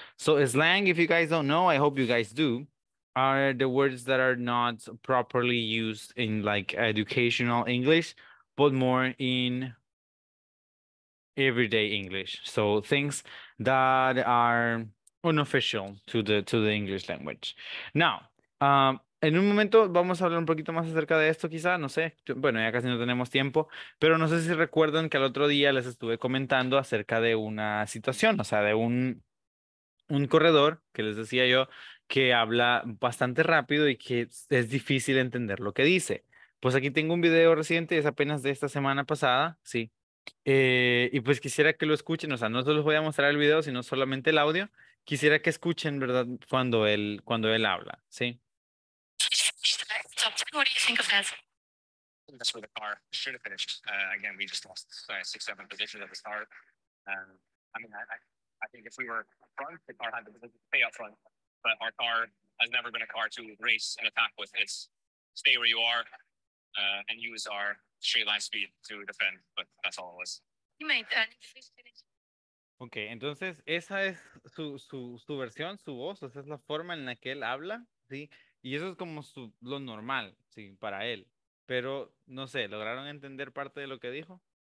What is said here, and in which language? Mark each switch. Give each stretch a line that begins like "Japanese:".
English: So slang, if you guys don't know, I hope you guys do, are the words that are not properly used in like educational English, but more in everyday English. So things that are unofficial to the English language.
Spanish: Now, en un momento vamos a hablar un poquito más acerca de esto, quizá, no sé. Bueno, ya casi no tenemos tiempo, pero no sé si recuerdan que el otro día les estuve comentando acerca de una situación, o sea, de un corredor que les decía yo que habla bastante rápido y que es difícil entender lo que dice. Pues aquí tengo un video reciente, es apenas de esta semana pasada, sí. Y pues quisiera que lo escuchen, o sea, no se los voy a mostrar el video, sino solamente el audio. Quisiera que escuchen, ¿verdad?, cuando él habla, sí.
English: What do you think of that? That's where the car should have finished. Again, we just lost 6-7 positions at the start. I think if we were front, the car had to stay up front. But our car has never been a car to race and attack with. It's stay where you are and use our straight line speed to defend. But that's all it was. You made that.
Spanish: Okay, entonces esa es su versión, su voz. O sea, es la forma en la que él habla, ¿sí? Y eso es como lo normal, sí, para él. Pero, no sé, ¿lograron entender parte de lo que dijo?